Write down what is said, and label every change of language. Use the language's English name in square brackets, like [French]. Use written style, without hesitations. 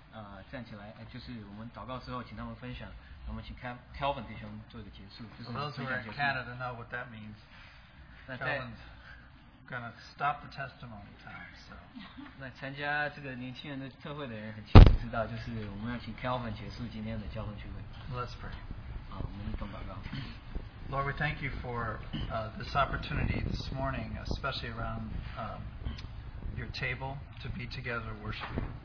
[Chinese] 那我们就请年轻人就是站起来，就是我们祷告之后请他们分享。那我们请 Calvin弟兄做一个结束。 [English] Well, those who are in Canada know what that means. Calvin's gonna stop the testimony time. So. [Chinese] 那参加这个年轻人的特会的人很清楚知道，就是我们要请 Calvin结束今天的交通聚会。 [English] Let's pray. [Chinese] 好，我们一同祷告。 [English] Lord, we thank you for this opportunity this morning, especially around your table to be together worshiping.